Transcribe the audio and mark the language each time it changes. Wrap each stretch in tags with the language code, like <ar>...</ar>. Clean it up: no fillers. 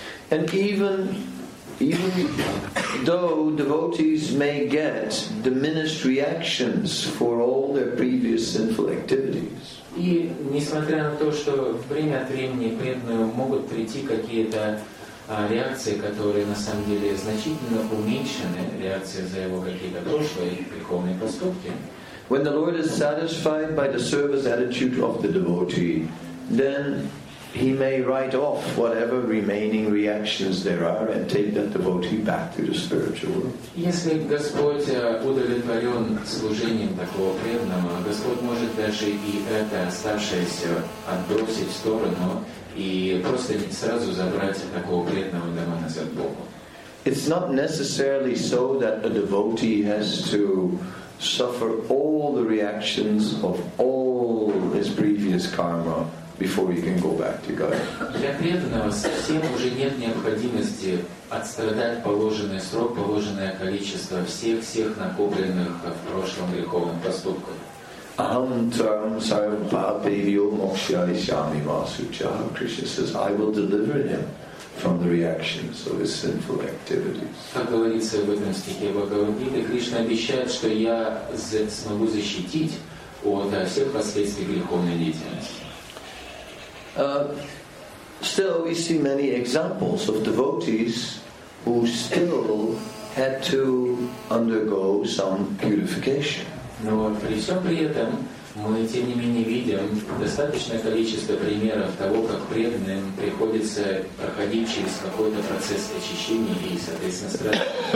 <en>And even though devotees may get diminished reactions for all their previous sinful activities,</en> <ru>и несмотря на то, что время от времени преданные могут прийти какие-то реакции, которые на самом деле значительно уменьшены, реакции за его какие-то прошлые греховные поступки.</ru> <en>When the Lord is satisfied by the service attitude of the devotee, then he may write off whatever remaining reactions there are and take that devotee back to the spiritual world.</en> <ru>Если Господь удовлетворен служением такого преданного, Господь может даже и это оставшееся отбросить в сторону и просто сразу забрать такого преданного домой назад Богу.</ru> <en>It's not necessarily so that a devotee has to suffer all the reactions of all his previous karma before he can go back to God.</en> <ru>Для преданного совсем уже нет необходимости отстрадать положенный срок, положенное количество всех накопленных в прошлом греховных поступков.</ru> <sa>Aham Tram Sarvapapevyo Moksha Ishami Vasucha.</sa> <en>Krishna says, I will deliver him from the reactions of his sinful activities.</en> <ru>Как говорится в этом стихе Бхагавад Гиты, Кришна обещает, что я смогу защитить от всех последствий греховной деятельности.</ru> <en>Still, we see many examples of devotees who still had to undergo some purification.</en> <ru>Но при всем при этом мы тем не менее видим достаточное количество примеров того, как преданным приходится проходить через какой-то процесс очищения и, соответственно, страдания.</ru>